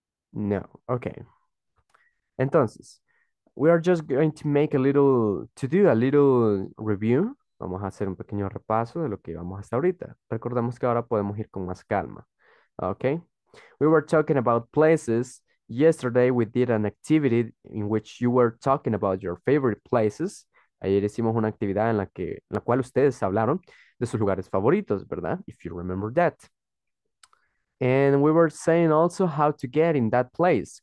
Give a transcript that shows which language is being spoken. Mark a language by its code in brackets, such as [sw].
[en] No, okay. Entonces, we are just going to make a little, to do a little review. [es] Vamos a hacer un pequeño repaso de lo que llevamos hasta ahorita. Recordemos que ahora podemos ir con más calma. [en] Okay. We were talking about places. Yesterday we did an activity in which you were talking about your favorite places. [es] Ayer hicimos una actividad en la cual ustedes hablaron de sus lugares favoritos, ¿verdad? [en] If you remember that. And we were saying also how to get in that place.